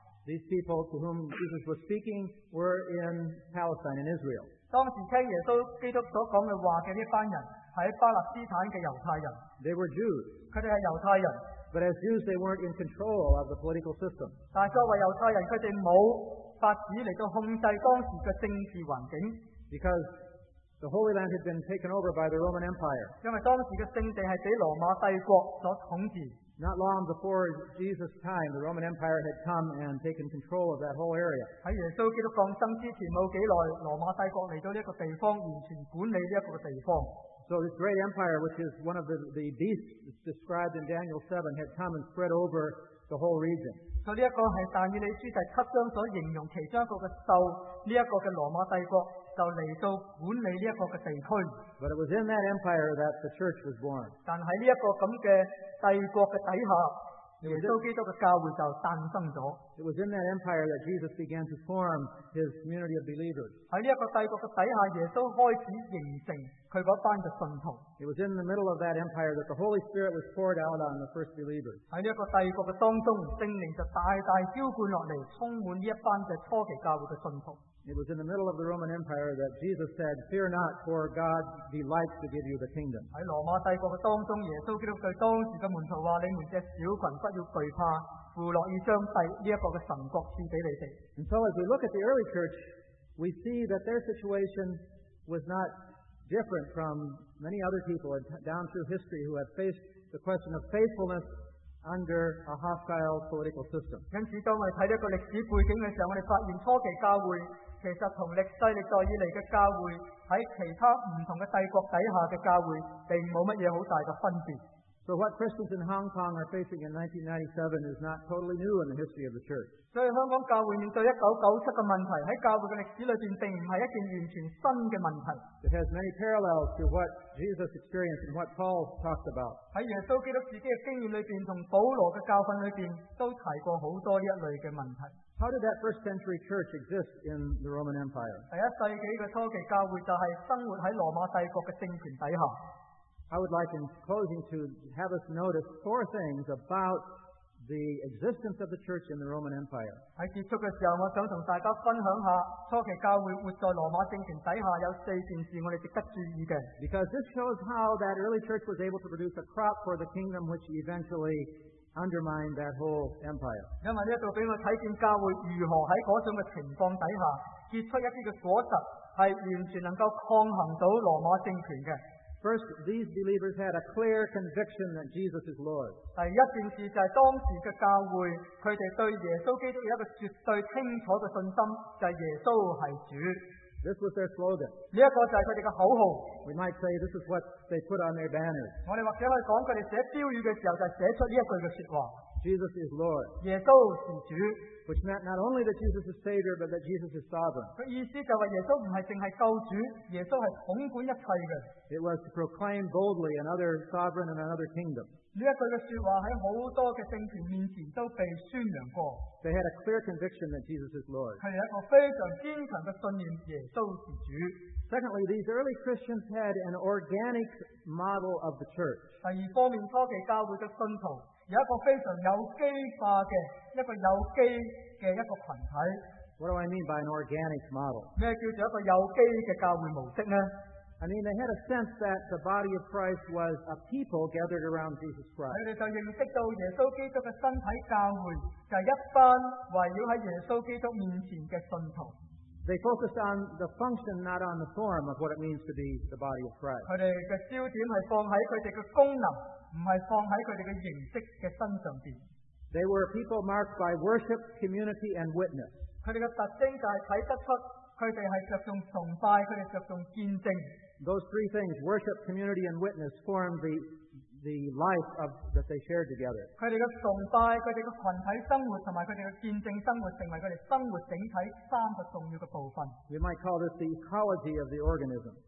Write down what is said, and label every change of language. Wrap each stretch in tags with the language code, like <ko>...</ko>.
<en>These people to whom Jesus was speaking were in Palestine and Israel.</en> <zh>当时听耶稣基督所讲的话的这班人是巴勒斯坦的犹太人。</zh> <en>They were Jews.</en> <zh>他们是犹太人。</zh> <en>But as Jews, they weren't in control of the political system.</en> <zh>但作为犹太人，他们没有法子来到控制当时的政治环境。</zh> <en>Because the Holy Land had been taken over by the Roman Empire.</en> <zh>因为当时的圣地是被罗马帝国所统治。</zh> <en>Not long before Jesus' time, the Roman Empire had come and taken control of that whole area.</en> <zh>在耶稣基督降生之前没几耐，罗马帝国来到这个地方，完全管理这个地方。</zh> <en>So this great empire, which is one of the beasts described in Daniel 7, had come and spread over the whole region.</en> <zh>所以这个是但以理书第七章所形容其中一个兽，这个的罗马帝国就来到管理这个地区。</zh> <en>But it was in that empire that the church was born.</en> <zh>但在这个这样的帝国的底下，耶稣基督的教会就诞生了。</zh> <en>It was in that empire that Jesus began to form his community of believers.</en> <zh>在这个帝国的底下，耶稣开始形成他那班的信徒。</zh> <en>It was in the middle of that empire that the Holy Spirit was poured out on the first believers.</en> <zh>在这个帝国的当中，圣灵就大大浇灌下来，充满这班的初期教会的信徒。</zh> <en>It was in the middle of the Roman Empire that Jesus said, "Fear not, for God delights to give you the kingdom."</en> <zh>在罗马帝国的当中，耶稣基督对当时的门徒话：“你们这小群不要惧怕，父乐意将帝这个神国赐给你们。”</zh> <en>And so, as we look at the early church, we see that their situation was not different from many other people down through history who have faced the question of faithfulness under a hostile political system.</en> <zh>因此，当我们看这个历史背景的时候，我们发现初期教会。其实从历世历代以来的教会在其他不同的帝国底下的教会并没有什么很大的分别。</zh> <en>So what Christians in Hong Kong are facing in 1997 is not totally new in the history of the church.</en> <zh>所以香港教会面对1997的问题，在教会的历史里面并不是一件完全新的问题。</zh> <en>It has many parallels to what Jesus experienced and what Paul talked about.</en> <zh>在耶稣基督自己的经验里面和保罗的教训里面都提过很多一类的问题。</zh> <en>How did that first century church exist in the Roman Empire?</en> <zh>第一世纪的初期教会就是生活在罗马帝国的政权底下。</zh> <en>I would like in closing to have us notice four things about the existence of the church in the Roman Empire.</en> <zh>在结束的时候，我想同大家分享下初期教会活在罗马政权底下有四件事我们值得注意的。</zh> <en>Because this shows how that early church was able to produce a crop for the kingdom which eventually undermined that whole empire.</en> <zh>因为这里给我们看见教会如何在那种情况底下结出一些果实，是完全能够抗衡到罗马政权的。</zh> <en>First, these believers had a clear conviction that Jesus is Lord.</en> <zh>第一件事就是当时的教会，他们对耶稣基督有一个绝对清楚的信心，就是耶稣是主。</zh> <en>This was their slogan.</en> <zh>这个就是他们的口号。</zh> <en>We might say this is what they put on their banners.</en> <zh>我们或者可以说他们写标语的时候就写出这句的说话。</zh> <en>Jesus is Lord.</en> <zh>耶稣是主。</zh> <en>Which meant not only that Jesus is Savior, but that Jesus is Sovereign.</en> <zh>他意思就是耶稣不是只是救主，耶稣是统管一切的。</zh> <en>It was to proclaim boldly another sovereign and another kingdom.</en> <zh>这句的说话在很多的政权面前都被宣扬过。</zh> <en>They had a clear conviction that Jesus is Lord.</en> <zh>他们有一个非常坚强的信念，耶稣是主。</zh> <en>Secondly, these early Christians had an organic model of the church.</en> <zh>第二方面，初期教会的信徒有一个非常有机化的一个有机的一个群体。</zh> <en>What do I mean by an organic model?</en> <zh>什么叫做一个有机的教会模式呢？</zh> <en>I mean, they had a sense that the body of Christ was a people gathered around Jesus Christ.</en> <zh>他们就认识到耶稣基督的身体教会就是一班围绕在耶稣基督面前的信徒。</zh> <en>They focused on the function, not on the form of what it means to be the body of Christ.</en> <zh>他们的焦点是放在他们的功能，不是放在他们的形式的身上面。</zh> <en>They were a people marked by worship, community, and witness.</en> <zh>他们的特征就是看得出他们是着重崇拜，他们着重见证。</zh> <en>Those three things, worship, community, and witness, formed the life of, that they shared together.</en> <zh>他们的崇拜、他们的群体生活和他们的见证生活成为他们生活整体三个重要的部分。</zh> <en>We might call this the ecology of the organism.</en>